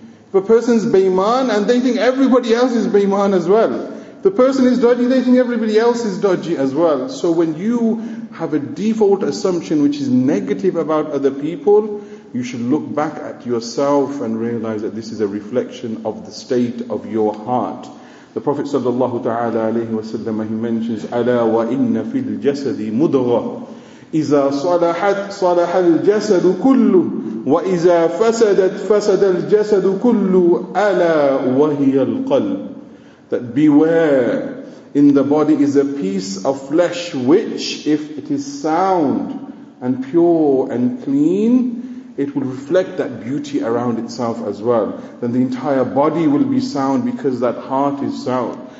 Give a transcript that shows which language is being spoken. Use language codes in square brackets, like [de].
[en] If a person is beiman, and they think everybody else is beiman as well. If the person is dodgy, they think everybody else is dodgy as well. So when you have a default assumption which is negative about other people, you should look back at yourself and realize that this is a reflection of the state of your heart. The Prophet sallallahu ta'ala alayhi wa sallam, he mentions, [ar] أَلَا وَإِنَّ فِي الْجَسَدِ مُدْغَةً إِذَا صَلَحَتْ صَلَحَ الْجَسَدُ كُلُّهُ وَإِذَا فَسَدَتْ فَسَدَ الْجَسَدُ كُلُّهُ أَلَا وَهِيَ الْقَلْبُ. [en] That beware, in the body is a piece of flesh which, if it is sound and pure and clean, it will reflect that beauty around itself as well. Then the entire body will be sound because that heart is sound.